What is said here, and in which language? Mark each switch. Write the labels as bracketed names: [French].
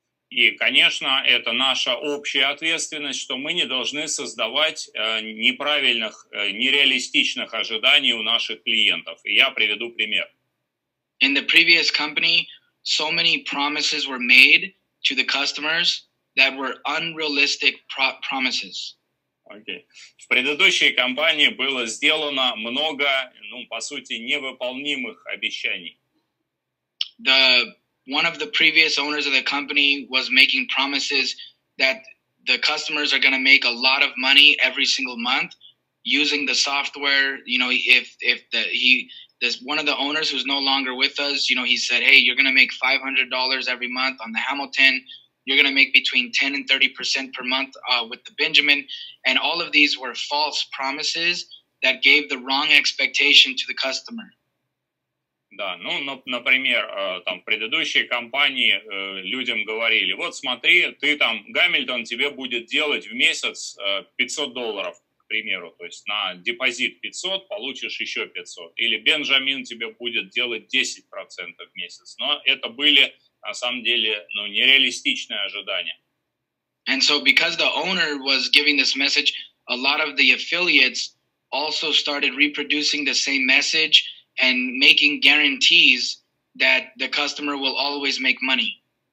[Russian] И, конечно, это наша общая ответственность, что мы не должны создавать неправильных, нереалистичных ожиданий у наших клиентов. И я приведу пример. [English] In the previous company, so many promises were made to the customers that were unrealistic promises. [Russian] В предыдущей компании было сделано много, по сути, невыполнимых обещаний. [English] One of the previous owners of the company was making promises that the customers are going to make a lot of money every single month using the software. You know, one of the owners who's no longer with us, you know, he said, hey, you're going to make $500 every month on the Hamilton. You're going to make between 10 and 30% per month with the Benjamin. And all of these were false promises that gave the wrong expectation to the customer. [Russian] Да, например, там в предыдущей компании людям говорили, вот смотри, ты там, Гамильтон тебе будет делать в месяц $500, к примеру. То есть на депозит 500 получишь еще 500. Или Бенджамин тебе будет делать 10% в месяц. Но это были... На самом деле, нереалистичное ожидание. [English] And so because the owner was giving this message, a lot of the affiliates also started reproducing the same message and making guarantees that the customer will always make money.